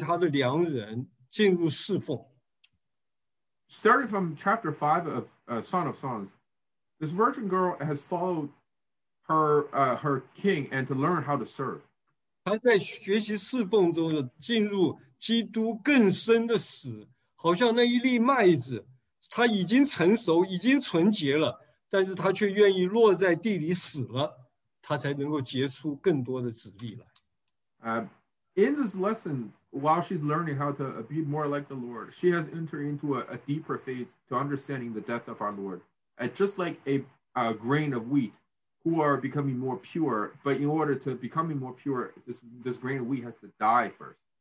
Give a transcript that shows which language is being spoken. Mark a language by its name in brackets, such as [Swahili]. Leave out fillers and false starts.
[Chinese] 弟兄姊妹,从第五章开始,这个女子她就学习跟随爱她的良人进入侍奉。 [English] Starting from chapter 5 of Song of Songs, this virgin girl has followed her king and to learn how to serve. [Chinese] 她在学习侍奉中进入基督更深的死，好像那一粒麦子，她已经成熟，已经纯洁了，但是她却愿意落在地里死了，她才能够结出更多的籽粒来。 [English] In this lesson, while she's learning how to be more like the Lord, she has entered into a deeper phase to understanding the death of our Lord. And just like a grain of wheat, who are becoming more pure, but in order to becoming more pure, this grain of wheat has to die first.